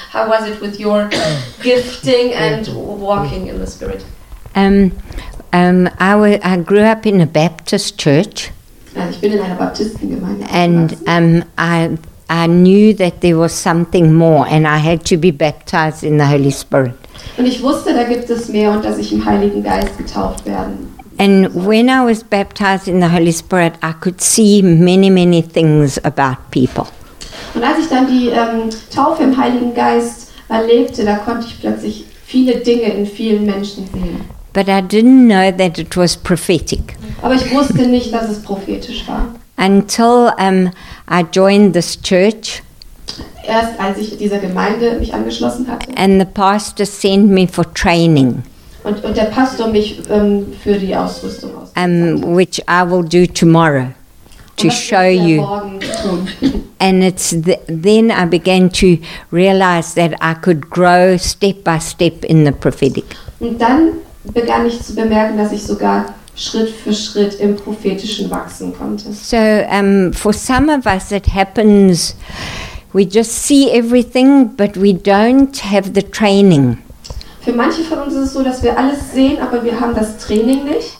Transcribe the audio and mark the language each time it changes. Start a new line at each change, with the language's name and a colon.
English: How was it with your gifting and walking in the Spirit? I grew up in a Baptist church.
German: Ich bin in einer Baptistengemeinde.
English: And I knew that there was something more and I had to be baptized in the Holy Spirit.
German: Und ich wusste, da gibt es mehr und dass ich im Heiligen Geist getauft werden.
English: And when I was baptized in the Holy Spirit, I could see many, many things about people.
German: Und als ich dann die Taufe im Heiligen Geist erlebte, da konnte ich plötzlich viele Dinge in vielen Menschen sehen.
English: But I didn't know that it was prophetic.
German: Aber ich wusste nicht, dass es prophetisch war.
English: Until I joined this church.
German: Erst als ich dieser Gemeinde mich angeschlossen hatte.
English: And the pastor sent me for training.
German: Und der Pastor mich für die Ausrüstung aus.
English: Which I will do tomorrow to show you. And it's then I began to realize that I could grow step by step in the prophetic.
German: Und dann begann ich zu bemerken, dass ich sogar Schritt für Schritt im Prophetischen wachsen konnte.
English: So for some of us it happens, we just see everything, but we don't have the training.
German: Für manche von uns ist es so, dass wir alles sehen, aber wir haben das Training nicht.